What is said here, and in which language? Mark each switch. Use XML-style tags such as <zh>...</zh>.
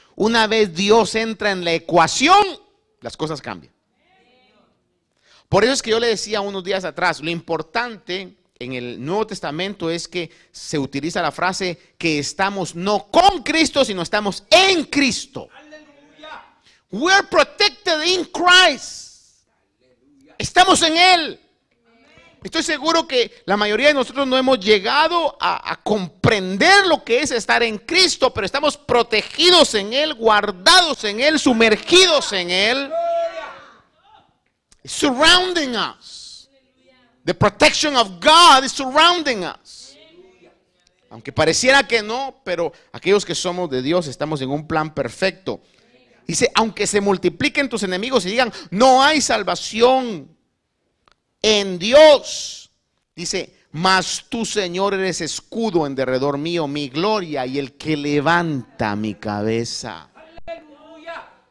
<es>Una vez Dios entra en la ecuación, las cosas cambian. Por eso es que yo le decía unos días atrás, lo importante en el Nuevo Testamento es que se utiliza la frase que estamos no con Cristo, sino estamos en Cristo. ¡Aleluya!</es> <en>We're protected in Christ.</en> <es>Estamos en Él. Estoy seguro que la mayoría de nosotros no hemos llegado a comprender lo que es estar en Cristo, pero estamos protegidos en Él, guardados en Él, sumergidos en Él.</es> <en>Surrounding us. The protection of God is surrounding us.</en> <es>Aunque pareciera que no, pero aquellos que somos de Dios estamos en un plan perfecto. Dice, aunque se multipliquen tus enemigos y digan, no hay salvación en Dios, dice, mas tú, Señor, eres escudo en derredor mío, mi gloria y el que levanta mi cabeza. ¡Aleluya!</es>